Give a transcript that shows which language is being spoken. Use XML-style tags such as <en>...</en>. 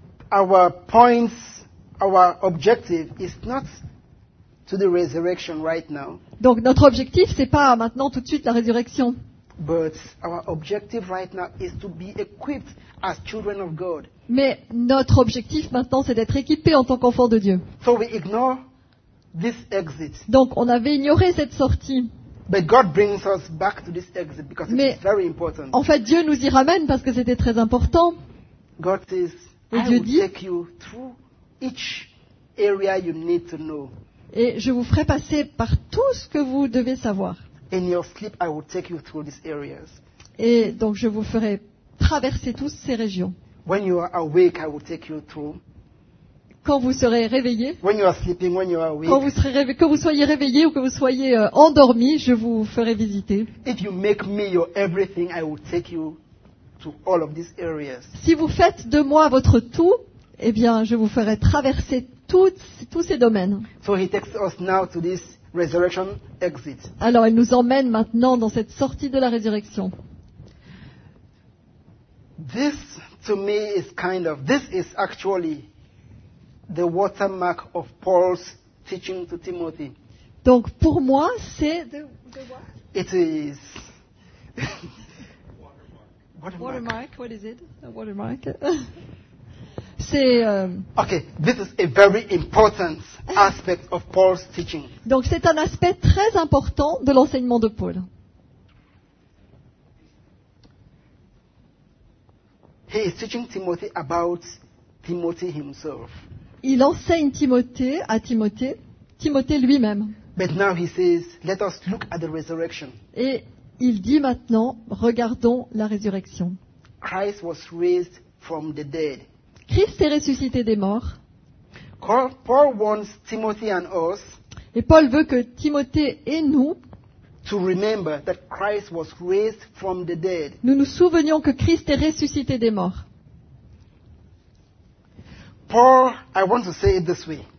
<en>Our points, our objective is not to the resurrection right now.</en> <fr>Donc notre objectif c'est pas maintenant tout de suite la résurrection.</fr> <en>But our objective right now is to be equipped as children of God.</en> <fr>Mais notre objectif maintenant, c'est d'être équipé en tant qu'enfant de Dieu.</fr> <en>So we ignore this exit.</en> <fr>Donc, on avait ignoré cette sortie.</fr> <en>But God brings us back to this exit because it's very important.</en> <fr>En fait, Dieu nous y ramène parce que c'était très important.</fr> <en>God says,</en> <fr>et Dieu dit,</fr> <en>I will take you through each area you need to know.</en> <fr>Et je vous ferai passer par tout ce que vous devez savoir.</fr> <en>In your sleep, I will take you through these areas.</en> <fr>Et donc, je vous ferai traverser toutes ces régions.</fr> <en>When you are awake, I will take you through.</en> <fr>Quand vous serez réveillé,</fr> <en>when you are sleeping, when you are awake,</en> <fr>quand vous serez que vous soyez réveillé ou que vous soyez endormi, je vous ferai visiter.</fr> <en>If you make me your everything, I will take you to all of these areas.</en> <fr>Si vous faites de moi votre tout, eh bien, je vous ferai traverser tous ces domaines.</fr> <en>So he takes us now to this resurrection exit.</en> <fr>Alors, il nous emmène maintenant dans cette sortie de la résurrection.</fr> <en>This to me is kind of, this is actually the watermark of Paul's teaching to Timothy.</en> <fr>Donc pour moi c'est the</fr> <en>what? It is watermark. What is it? A watermark.</en> <fr>C'est</fr> <en>okay, this is a very important aspect of Paul's teaching.</en> <fr>Donc c'est un aspect très important de l'enseignement de Paul.</fr> <en>He is teaching Timothy about Timothy himself.</en> <fr>Il enseigne Timothée à Timothée, Timothée lui-même.</fr> <en>But now he says, let us look at the resurrection.</en> <fr>Et il dit maintenant, regardons la résurrection.</fr> <en>Christ was raised from the dead.</en> <fr>Christ est ressuscité des morts.</fr> <en>Paul wants Timothy and us.</en> <fr>Et Paul veut que Timothée et nous</fr> <en>to remember that Christ was raised from the dead.</en> <fr>Nous nous souvenions que Christ est ressuscité des morts.</fr> <en>Paul, I want to say it this way.</en>